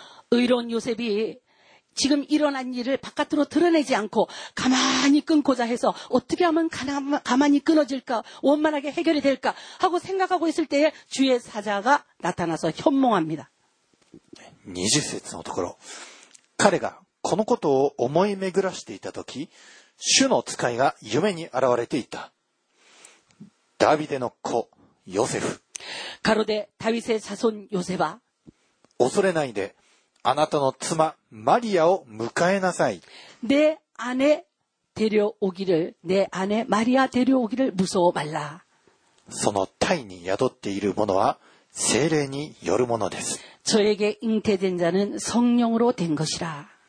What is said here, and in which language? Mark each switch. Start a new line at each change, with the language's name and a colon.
Korean: 의로운요셉이지금일어난일을바깥으로드러내지않고가만히끊고자해서어떻게하면가만히끊어질까원만하게해결이될까하고생각하고있을때에주의사자가나타나서현몽합니다
Japanese: 20節のところ彼がこのことを思い巡らしていた時主の使いが夢に現れていたダビデの子요셉
Korean: 가로대다윗의자손요셉아
Japanese: 恐れないであなたの妻マリアを迎えなさい。
Korean: 내아내데려오기를내아내마리아데려오기를무서워말라。
Japanese: その胎に宿っているものは聖霊によるものです。
Korean: 저에게잉태된자는성령으로된것이라。